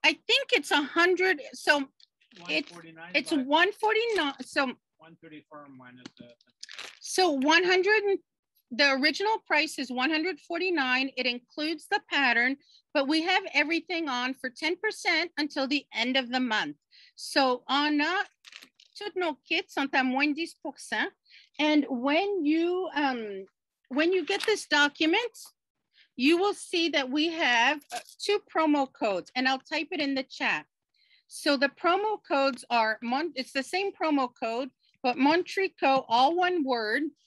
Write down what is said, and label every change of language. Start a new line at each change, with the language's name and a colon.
English: I think it's 100. So it's 149. So 134 minus the. So 100. The original price is 149. It includes the pattern, but we have everything on for 10% until the end of the month.
French: So on a, toutes nos kits sont à moins 10%.
English: And when you get this document, you will see that we have 2 promo codes and I'll type it in the chat. So the promo codes are, it's the same promo code, but MontTricot, all one word.